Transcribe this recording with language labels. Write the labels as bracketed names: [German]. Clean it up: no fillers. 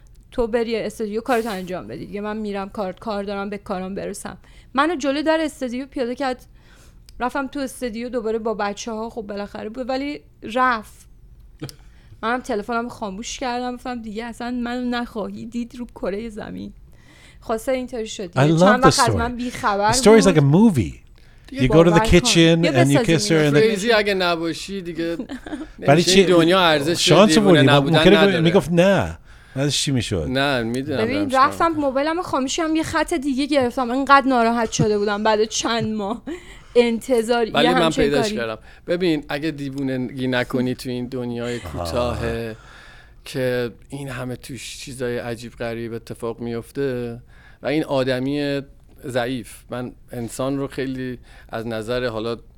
[Persian] تو بری استودیو کارتو انجام بدی دیگه من میرم کار دارم به کارم برسم منو جلو در استودیو پیاده کرد رفتم تو استودیو دوباره با بچه ها خب بالاخره بود ولی رفت منم تلفنم خاموش کردم گفتم دیگه اصلا منو نخواهی دید رو کره زمین خواسته اینطوری شد چند وقت از من بی خبر بود [English] story is like a movie You go to the kitchen and you kiss her and [Persian] crazy اگه نباشی دیگه نمیشه دنیا ارزش دیگه نبودن نداره میگفت نه نه چی میشد نه میدونم ببین رفتم موبایلم خاموشیم یه خط دیگه گرفتم انقدر ناراحت شده بودم بعد چند ماه انتظار ولی من پیداش کردم ببین اگه دیوونگی نکنی تو این دنیای کوتاه که این همه توش چیزای عجیب غریب اتفاق میفته و این آدمی ضعیف من انسان رو خیلی از نظر حالا